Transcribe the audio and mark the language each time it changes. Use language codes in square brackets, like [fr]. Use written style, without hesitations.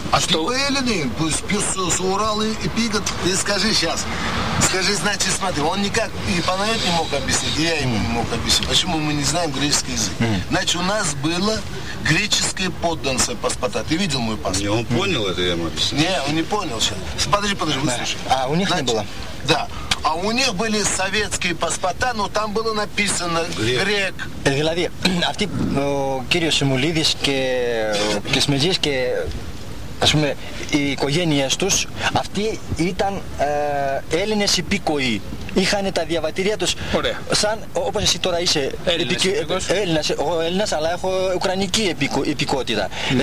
[el] Αυτοί οι Έλληνες που πίσω στο Ουράλι πήγαν, δεν σκαζί σιάς. [ru] Скажи, значит, смотри, он никак, и Панаэль не мог объяснить, и я ему не мог объяснить, почему мы не знаем греческий язык. Значит, у нас было греческое подданство паспорта. Ты видел мой паспорт? Не, он понял это, я ему объяснил. Не, он не понял сейчас. Подожди, подожди, выслушай. А у них значит, не было? Да. А у них были советские паспорта, но там было написано грек. Глави, а ты, [el] Кирилл Симулидис, Кисмедис, ας πούμε, οι οικογένειές τους, αυτοί ήταν Έλληνες υπήκοοι. Είχανε τα διαβατήρια τους. Ωραία. Σαν, όπως εσύ τώρα είσαι Έλληνας, εγώ Έλληνας, αλλά έχω Ουκρανική υπηκότητα. Ναι.